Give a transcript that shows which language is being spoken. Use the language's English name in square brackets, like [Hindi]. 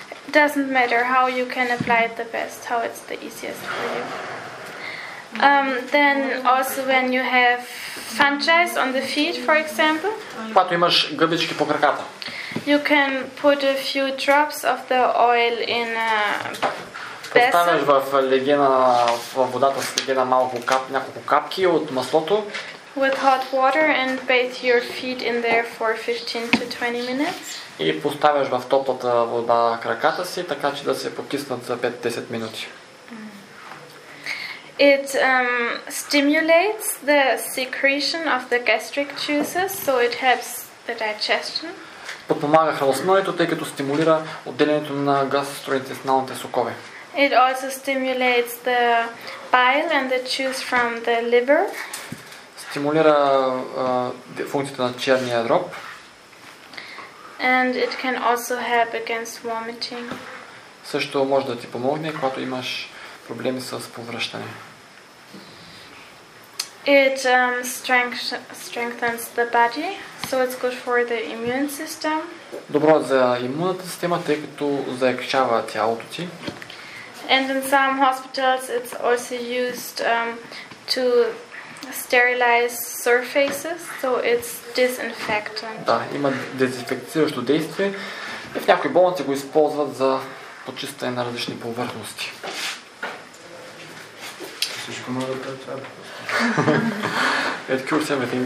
[English] Doesn't matter how you can apply it the best, how it's the easiest for you. Then also when you have fungi on the feet, for example. [Bulgarian] Когато имаш гъбички по краката. [English] You can put a few drops of the oil in a basin. [Bulgarian] Поставяш в легена, в водата с легена малко няколко капки от маслото. [English] With hot water and bathe your feet in there for 15 to 20 minutes. [Bulgarian] И поставяш в топлата вода краката си, така че да се покиснат за 5-10 минути. [English] It stimulates the secretion of the gastric juices, so it helps the digestion. [Bulgarian] Подпомага храносмилането, тъй като стимулира отделянето на гастроинтестиналните сокове. [English] It also stimulates the bile and the juice from the liver. [Bulgarian] Стимулира функцията на черния дроб. [English] And it can also help against vomiting. [Bulgarian] Също може да ти помогне, когато имаш проблеми с повръщане. [English] It strengthens the body, so it's good for the immune system. [Bulgarian] Добро за имунната система, тъй като заекчава тялото ти. [English] And in some hospitals it's also used to sterilize surfaces, so it's disinfectant. [Bulgarian] Да, има дезинфекциращо действие. И в някои болници го използват за почистване на различни повърхности. [English] tomato pepper. It cures everything.